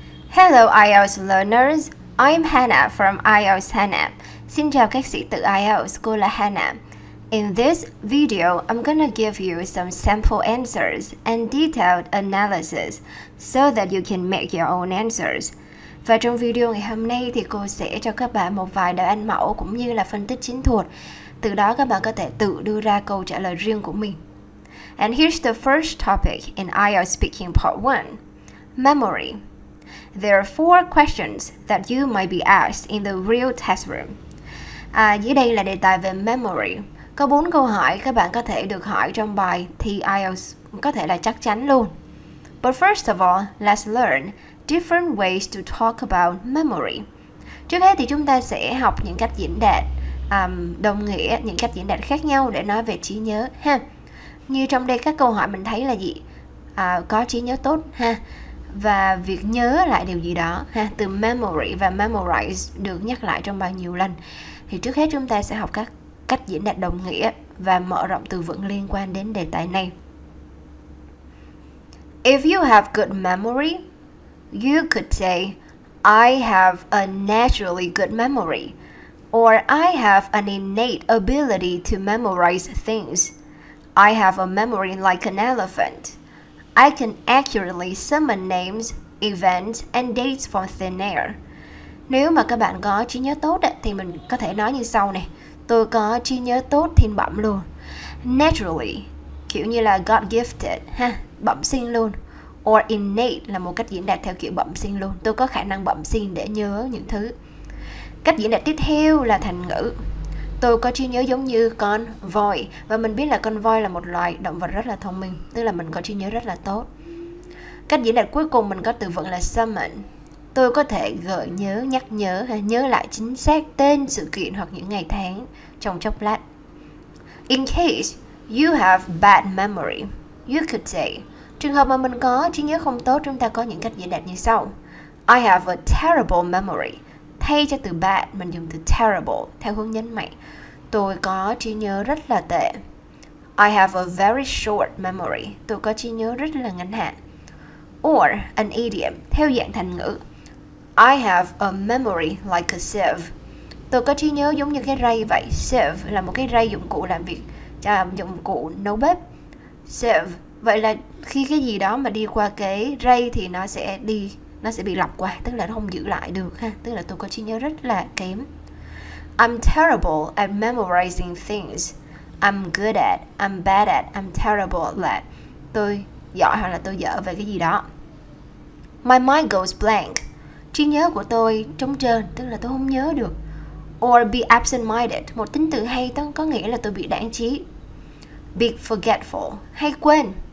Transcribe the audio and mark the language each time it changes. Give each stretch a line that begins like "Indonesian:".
English: Hello IELTS learners, I'm Hannah from IELTS Hannah.
Vietnamese: Xin chào các sĩ tử IELTS, cô là Hannah.
English: In this video, I'm gonna give you some sample answers and detailed analysis so that you can make your own answers.
Vietnamese: Và trong video ngày hôm nay thì cô sẽ cho các bạn một vài đáp án mẫu cũng như là phân tích chính thuật. Từ đó các bạn có thể tự đưa ra câu trả lời riêng của mình.
English: And here's the first topic in IELTS Speaking Part 1. Memory. There are four questions that you might be asked in the real test room.
Vietnamese: Dưới đây là đề tài về memory. Có bốn câu hỏi các bạn có thể được hỏi trong bài thi IELTS, có thể là chắc chắn luôn.
English: But first of all, let's learn different ways to talk about memory.
Vietnamese: Trước hết thì chúng ta sẽ học những cách diễn đạt đồng nghĩa, những cách diễn đạt khác nhau để nói về trí nhớ ha. Như trong đây các câu hỏi mình thấy là gì? Có trí nhớ tốt ha. Và việc nhớ lại điều gì đó ha, từ memory và memorize được nhắc lại trong bao nhiêu lần. Thì trước hết chúng ta sẽ học các cách diễn đạt đồng nghĩa và mở rộng từ vựng liên quan đến đề tài này.
English: If you have good memory, you could say I have a naturally good memory or I have an innate ability to memorize things. I have a memory like an elephant. I can accurately summon names, events, and dates from thin air.
Vietnamese: Nếu mà các bạn có trí nhớ tốt ấy, thì mình có thể nói như sau này. Tôi có trí nhớ tốt thiên bẩm luôn. Naturally, kiểu như là
English: God gifted,
Vietnamese: ha, bẩm sinh luôn. Or innate là một cách diễn đạt theo kiểu bẩm sinh luôn. Tôi có khả năng bẩm sinh để nhớ những thứ. Cách diễn đạt tiếp theo là thành ngữ. Tôi có trí nhớ giống như con voi. Và mình biết là con voi là một loài động vật rất là thông minh, tức là mình có trí nhớ rất là tốt. Cách diễn đạt cuối cùng mình có từ vựng là summon. Tôi có thể gợi nhớ, nhắc nhớ hay nhớ lại chính xác tên sự kiện hoặc những ngày tháng trong chốc lát.
English: In case you have bad memory, you could say,
Vietnamese: trường hợp mà mình có trí nhớ không tốt, chúng ta có những cách diễn đạt như sau.
English: I have a terrible memory.
Vietnamese: Thay cho từ bad, mình dùng từ terrible theo hướng nhấn mạnh. Tôi có trí nhớ rất là tệ.
English: I have a very short memory.
Vietnamese: Tôi có trí nhớ rất là ngắn hạn.
English: Or an idiom
Vietnamese: theo dạng thành ngữ.
English: I have a memory like a sieve.
Vietnamese: Tôi có trí nhớ giống như cái rây vậy. Sieve là một cái rây dụng cụ làm việc, dụng cụ nấu bếp.
English: Sieve,
Vietnamese: vậy là khi cái gì đó mà đi qua cái rây thì nó sẽ đi, nó sẽ bị lọc qua, tức là nó không giữ lại được ha. Tức là tôi có trí nhớ rất là kém.
English: I'm terrible at memorizing things. I'm good at, I'm bad at, I'm terrible at.
Vietnamese: Tôi giỏi hoặc là tôi dở về cái gì đó.
English: My mind goes blank.
Vietnamese: Trí nhớ của tôi trống trơn, tức là tôi không nhớ được.
English: Or be absent-minded.
Vietnamese: Một tính từ hay có nghĩa là tôi bị đãng trí.
English: Be forgetful.
Vietnamese: Hay quên.